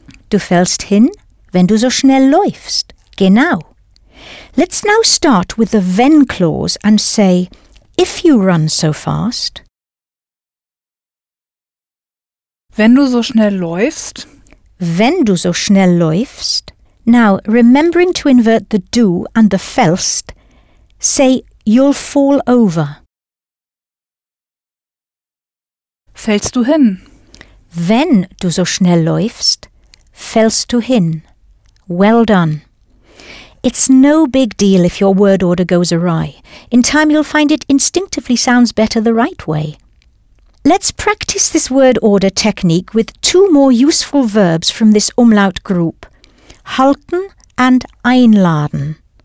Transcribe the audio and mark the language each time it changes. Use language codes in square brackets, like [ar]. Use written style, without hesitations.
[de] Du fällst hin, wenn du so schnell läufst. Genau. [en] Let's now start with the wenn clause and say, if you run so fast. [de] Wenn du so schnell läufst. Wenn du so schnell läufst. [en] Now, remembering to invert the du and the fällst, say, you'll fall over. [de] Fällst du hin? Wenn du so schnell läufst, fällst du hin. [en] Well done. It's no big deal if your word order goes awry. In time you'll find it instinctively sounds better the right way. Let's practice this word order technique with two more useful verbs from this umlaut group, halten and einladen.